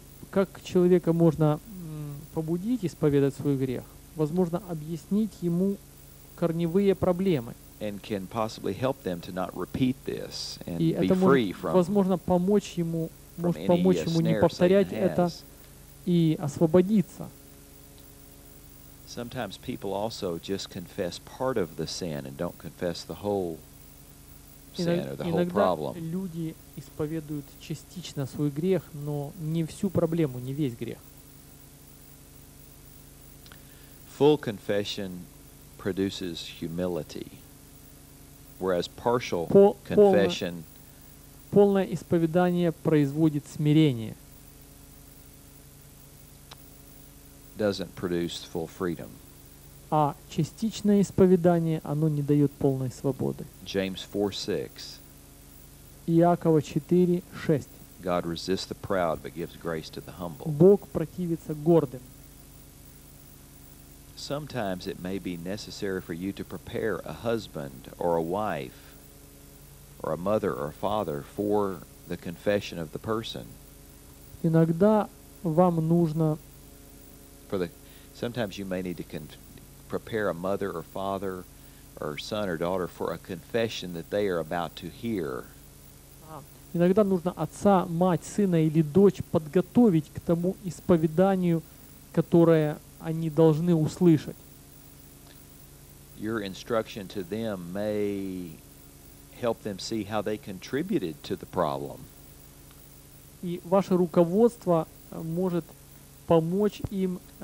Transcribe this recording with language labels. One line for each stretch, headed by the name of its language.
Russian: Как человека можно побудить исповедать свой грех? Возможно, объяснить ему корневые проблемы.
English: And can possibly help them to not repeat this and
Russian: И
English: be free from.
Russian: Возможно, помочь ему, может помочь ему не повторять это. И освободиться.
English: Sometimes people also just confess part of the sin and don't confess the whole sin or the whole problem.
Russian: Иногда люди исповедуют частично свой грех, но не всю проблему, не весь грех.
English: Full confession produces humility, whereas partial confession
Russian: полное исповедание производит смирение.
English: Doesn't produce full freedom.
Russian: А частичное исповедание, оно не дает полной свободы.
English: James 4:6.
Russian: Иакова 4:6.
English: God resists the proud, but gives grace to the humble.
Russian: Бог противится гордым.
English: Sometimes it may be necessary for you to prepare a husband or a wife or a mother or a father for the confession of the person.
Russian: Иногда вам нужно
English: Sometimes you may need to prepare a mother or father or son or daughter for a confession that they are about to hear.
Russian: Иногда нужно отца, мать, сына или дочь подготовить к тому исповеданию, которое они должны услышать.
English: Your instruction to them may help them see how they contributed to the problem.
Russian: И ваше руководство может помочь им